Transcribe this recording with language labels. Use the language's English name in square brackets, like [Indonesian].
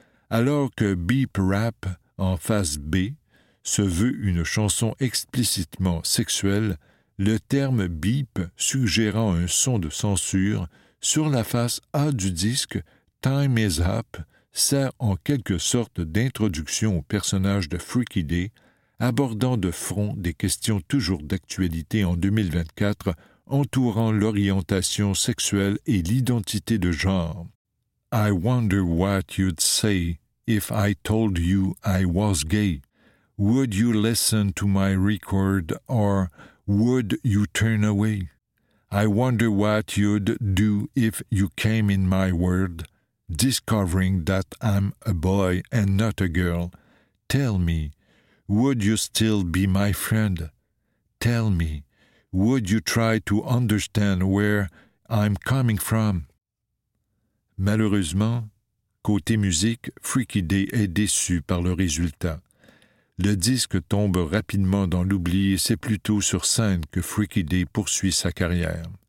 [French] Alors que Beep Rap, en face B, se veut une chanson explicitement sexuelle, le terme « beep » suggérant un son de censure, sur la face A du disque « Time is up » sert en quelque sorte d'introduction au personnage de Freaky Day, abordant de front des questions toujours d'actualité en 2024 entourant l'orientation sexuelle et l'identité de genre. [English] « I wonder what you'd say if I told you I was gay. Would you listen to my record or... would you turn away? I wonder what you'd do if you came in my world, discovering that I'm a boy and not a girl. Tell me, would you still be my friend? Tell me, would you try to understand where I'm coming from? » [French] Malheureusement, côté musique, Freaky Day est déçu par le résultat. Le disque tombe rapidement dans l'oubli et c'est plutôt sur scène que Freaky Day poursuit sa carrière.